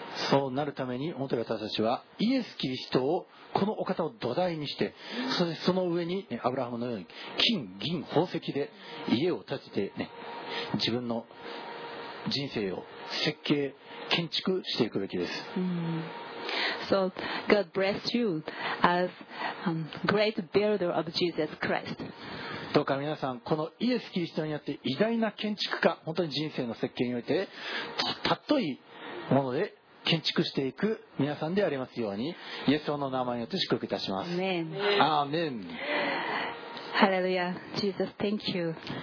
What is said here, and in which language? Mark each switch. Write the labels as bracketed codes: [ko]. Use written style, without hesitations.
[ja] そうなるために本当に私たちはイエス・キリストをこのお方を土台にして、そしてその上に、ね、アブラハムのように金銀宝石で家を建てて、ね、自分の人生を設計建築していくべきです。 [en] So God bless you as great builder of Jesus Christ. [ja] どうか皆さんこのイエス・キリストによって偉大な建築家、本当に人生の設計においてたっといもので建築していく皆さんでありますように、イエス様の名前によって祝福いたします。アーメン。ハレルヤ、ジーザス、 [en] Thank you.